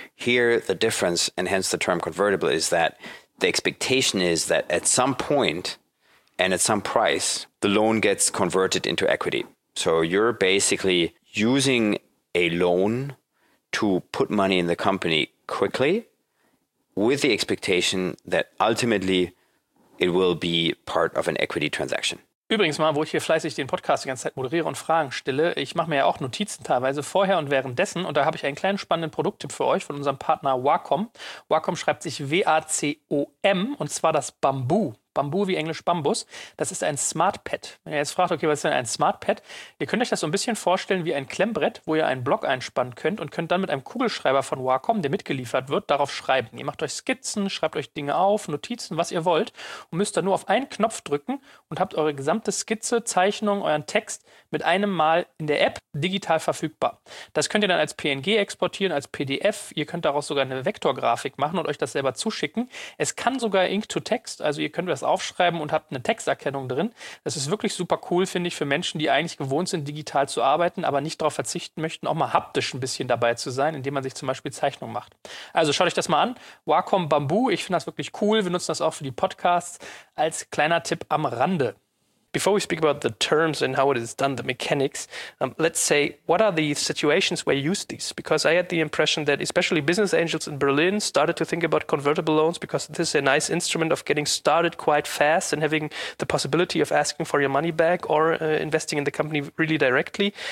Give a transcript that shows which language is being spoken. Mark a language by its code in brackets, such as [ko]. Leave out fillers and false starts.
[en] Here, the difference, and hence the term convertible, is that the expectation is that at some point and at some price, the loan gets converted into equity. So you're basically using a loan to put money in the company quickly with the expectation that ultimately it will be part of an equity transaction. [de] Übrigens mal, wo ich hier fleißig den Podcast die ganze Zeit moderiere und Fragen stelle, ich mache mir ja auch Notizen teilweise vorher und währenddessen und da habe ich einen kleinen spannenden Produkttipp für euch von unserem Partner Wacom. Wacom schreibt sich W-A-C-O-M und zwar das Bamboo. Bamboo wie Englisch Bambus. Das ist ein Smartpad. Wenn ihr jetzt fragt, okay, was ist denn ein Smartpad? Ihr könnt euch das so ein bisschen vorstellen wie ein Klemmbrett, wo ihr einen Block einspannen könnt und könnt dann mit einem Kugelschreiber von Wacom, der mitgeliefert wird, darauf schreiben. Ihr macht euch Skizzen, schreibt euch Dinge auf, Notizen, was ihr wollt und müsst dann nur auf einen Knopf drücken und habt eure gesamte Skizze, Zeichnung, euren Text mit einem Mal in der App digital verfügbar. Das könnt ihr dann als PNG exportieren, als PDF. Ihr könnt daraus sogar eine Vektorgrafik machen und euch das selber zuschicken. Es kann sogar Ink-to-Text, also ihr könnt das aufschreiben und habt eine Texterkennung drin. Das ist wirklich super cool, finde ich, für Menschen, die eigentlich gewohnt sind, digital zu arbeiten, aber nicht darauf verzichten möchten, auch mal haptisch ein bisschen dabei zu sein, indem man sich zum Beispiel Zeichnungen macht. Also schaut euch das mal an. Wacom Bamboo, ich finde das wirklich cool. Wir nutzen das auch für die Podcasts. Als kleiner Tipp am Rande. [en] Before we speak about the terms and how it is done, the mechanics, let's say, what are the situations where you use these? Because I had the impression that especially business angels in Berlin started to think about convertible loans because this is a nice instrument of getting started quite fast and having the possibility of asking for your money back or investing in the company really directly.